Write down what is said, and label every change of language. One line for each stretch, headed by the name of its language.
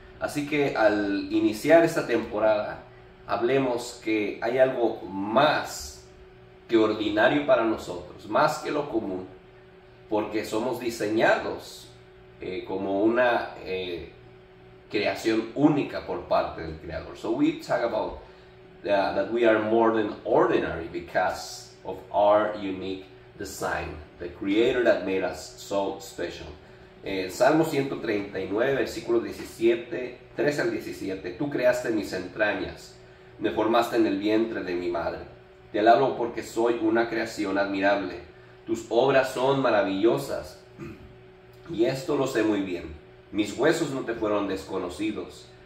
Spanish: Así que al iniciar esta temporada, hablemos que hay algo más que ordinario para nosotros, más que lo común, porque somos diseñados como una creación única por parte del Creador.
English: So we talk about that we are more than ordinary because of our unique design, the Creator that made us so special.
Spanish: Salmo 139, versículo 17, 13 al 17. Tú creaste mis entrañas, me formaste en el vientre de mi madre. Te alabo porque soy una creación admirable. Tus obras son maravillosas. Y esto lo sé muy bien. Mis huesos no te fueron desconocidos.